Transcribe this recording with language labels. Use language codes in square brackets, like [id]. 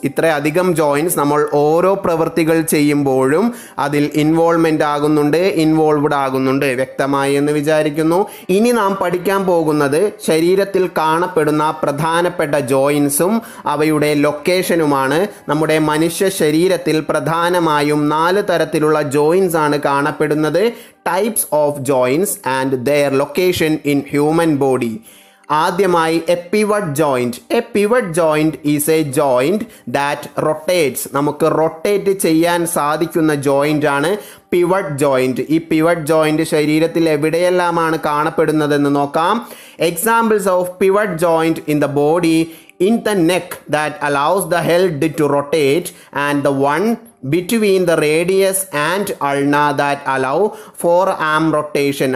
[ml] ഇത്രയധികം ജോയിൻസ് നമ്മൾ ഓരോ പ്രവൃത്തികൾ ചെയ്യുമ്പോഴും അതിൽ ഇൻവോൾവ്മെൻ്റ് ആകുന്നുണ്ട്, ഇൻവോൾവ്ഡ് ആകുന്നുണ്ട്. വ്യക്തമായി എന്ന് വിചാരിക്കുന്നു. ഇനി നാം പഠിക്കാൻ പോകുന്നത് ശരീരത്തിൽ കാണപ്പെടുന്ന പ്രധാനപ്പെട്ട ജോയിൻസും അവയുടെ ലൊക്കേഷനുമാണ്. നമ്മുടെ മനുഷ്യ ശരീരത്തിൽ പ്രധാനമായും നാല് തരത്തിലുള്ള ജോയിൻസ് ആണ് കാണപ്പെടുന്നത്. [en] Types of joints and their location in human body. [ml] ആദ്യമായി എപ്പിവട്ട് joint. [en] a pivot joint is a joint that rotates, [ml] നമുക്ക് റൊട്ടേറ്റ് ചെയ്യാൻ സാധിക്കുന്ന ജോയിൻറ്റാണ് പിവട്ട് ജോയിൻറ്റ്. ഈ പിവട്ട് ജോയിൻറ്റ് ശരീരത്തിൽ എവിടെയെല്ലാമാണ് കാണപ്പെടുന്നതെന്ന് നോക്കാം. [en] Examples of pivot joint in the body: in the neck that allows the head to rotate, and the one between the radius and ulna that allow forearm rotation.